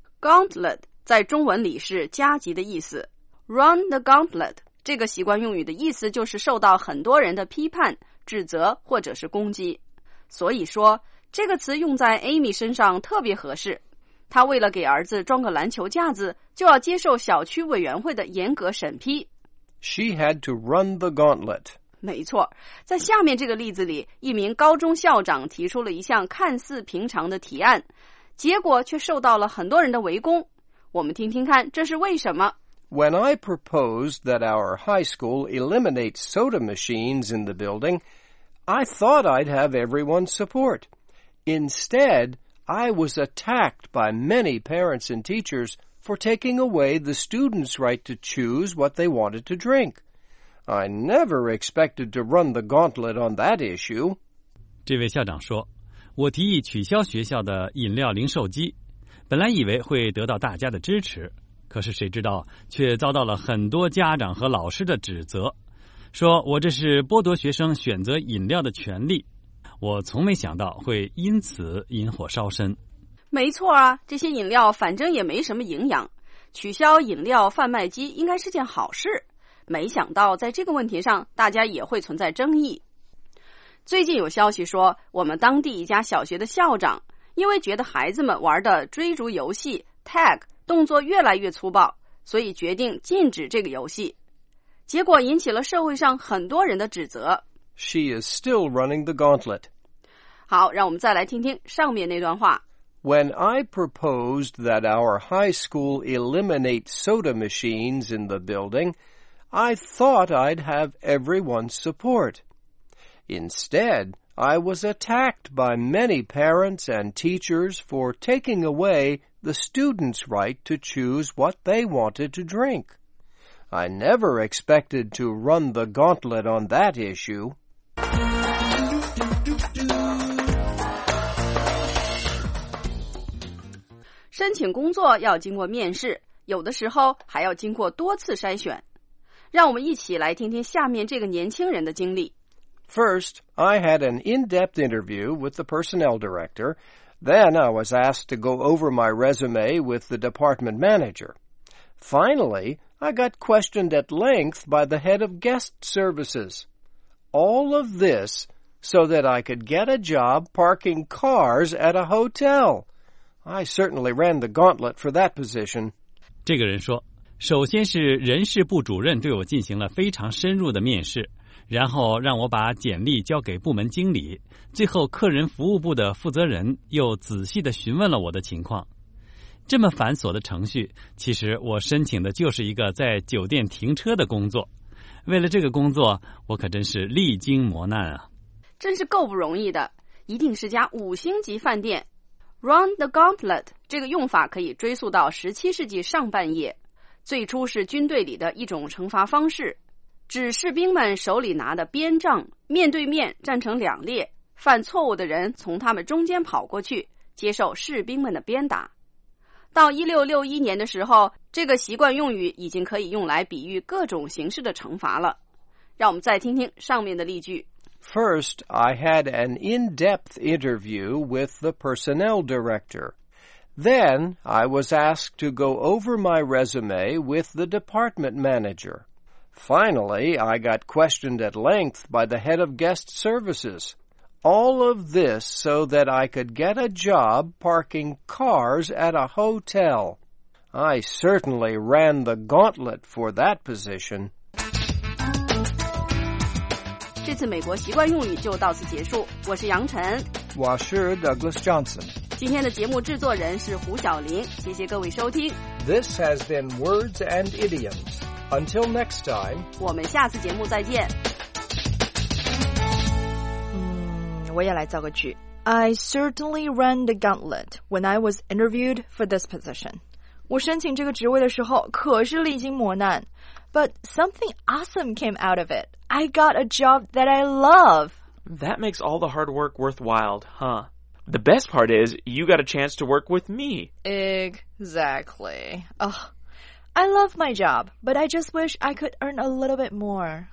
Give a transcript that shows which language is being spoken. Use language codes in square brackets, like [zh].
[zh] Gauntlet 在中文里是加急的意思 [en] Run the gauntlet [zh] 这个习惯用语的意思就是受到很多人的批判指责或者是攻击所以说这个词用在 Amy 身上特别合适她为了给儿子装个篮球架子就要接受小区委员会的严格审批 [en] She had to run the gauntlet [zh] 没错在下面这个例子里一名高中校长提出了一项看似平常的提案结果却受到了很多人的围攻。我们听听看这是为什么。 [en] When I proposed that our high school eliminate soda machines in the building, I thought I'd have everyone's support. Instead, I was attacked by many parents and teachers for taking away the students' right to choose what they wanted to drink. I never expected to run the gauntlet on that issue. [zh] 这位校长说我提议取消学校的饮料零售机，本来以为会得到大家的支持，可是谁知道却遭到了很多家长和老师的指责，说我这是剥夺学生选择饮料的权利。我从没想到会因此引火烧身。没错啊，这些饮料反正也没什么营养，取消饮料贩卖机应该是件好事。没想到在这个问题上大家也会存在争议。最近有消息说，我们当地一家小学的校长因为觉得孩子们玩的追逐游戏 tag 动作越来越粗暴，所以决定禁止这个游戏，结果引起了社会上很多人的指责。 [en] She is still running the gauntlet. [zh] 好，让我们再来听听上面那段话。 [en] When I proposed that our high school eliminate soda machines in the building, I thought I'd have everyone's support. Instead, I was attacked by many parents and teachers for taking away the students' right to choose what they wanted to drink. I never expected to run the gauntlet on that issue. [zh] 申请工作要经过面试，有的时候还要经过多次筛选。让我们一起来听听下面这个年轻人的经历。 [en] First, I had an in-depth interview with the personnel director. Then I was asked to go over my resume with the department manager. Finally, I got questioned at length by the head of guest services. All of this so that I could get a job parking cars at a hotel. I certainly ran the gauntlet for that position. [zh] 这个人说，首先是人事部主任对我进行了非常深入的面试，然后让我把简历交给部门经理，最后客人服务部的负责人又仔细地询问了我的情况。这么繁琐的程序，其实我申请的就是一个在酒店停车的工作。为了这个工作，我可真是历经磨难啊。真是够不容易的，一定是家五星级饭店。 [en] Run the gauntlet [zh] 这个用法可以追溯到17世纪上半叶，最初是军队里的一种惩罚方式，指士兵们手里拿的鞭杖面对面站成两列，犯错误的人从他们中间跑过去接受士兵们的鞭打。到1661年的时候，这个习惯用语已经可以用来比喻各种形式的惩罚了。让我们再听听上面的例句。 [en] First, I had an in-depth interview with the personnel director. Then, I was asked to go over my resume with the department manager. Finally, I got questioned at length by the head of guest services. All of this so that I could get a job parking cars at a hotel. I certainly ran the gauntlet for that position. [zh] 这次美国习惯用语就到此结束，我是杨晨，我是 Douglas Johnson。今天的节目制作人是胡晓林，谢谢各位收听。 [en] This has been Words and Idioms. Until next time. [zh] 我们下次节目再见。我也来造个句。 [en] I certainly ran the gauntlet when I was interviewed for this position. [zh] 我申请这个职位的时候可是历经磨难。 [en] But something awesome came out of it. I got a job that I love. That makes all the hard work worthwhile, huh? The best part is, you got a chance to work with me. Exactly. Ugh. I love my job, but I just wish I could earn a little bit more.